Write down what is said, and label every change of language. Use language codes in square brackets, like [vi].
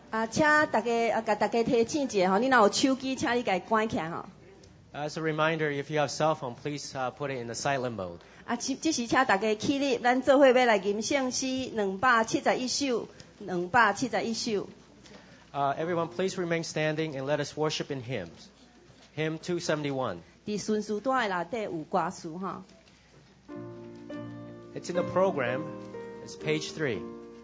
[nan] 请大家给大家提醒一下，你如果有手机，请你给它关起来。 [en] As a reminder, if you have cell phone, please put it in the silent mode. [nan] 这时请大家起立，我们做会要来吟圣诗271首。 [en] Everyone, please remain standing and let us worship in hymns. Hymn 271. [nan] 在顺序带里面有歌词哈。 [en] It's in the program. It's page 3. Thank you.